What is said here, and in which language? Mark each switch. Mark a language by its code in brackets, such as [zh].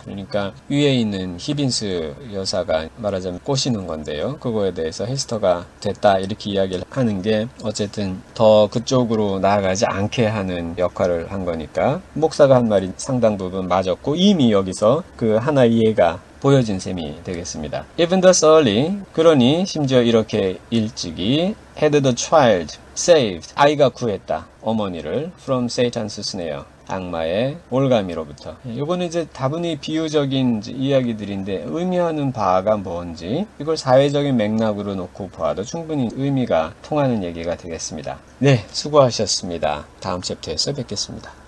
[ko] 그러니까 위에 있는 히빈스 여사가 말하자면 꼬시는 건데요. 그거에 대해서 헤스터가 됐다 이렇게 이야기를 하는 게 어쨌든 더 그쪽으로 나아가지 않게 하는 역할을 한 거니까 목사가 한 말이 상당 부분 맞았고 이미 여기서 그 하나의 이해가 보여진 셈이 되겠습니다. [en] Even thus early, [ko] 그러니 심지어 이렇게 일찍이 [en] had the child saved, [ko] 아이가 구했다, 어머니를 [en] from Satan's snare, [ko] 악마의 올가미로부터. 요거는 이제 다분히 비유적인 이야기들인데 의미하는 바가 뭔지 이걸 사회적인 맥락으로 놓고 보아도 충분히 의미가 통하는 얘기가 되겠습니다. 네, 수고하셨습니다. 다음 챕터에서 뵙겠습니다.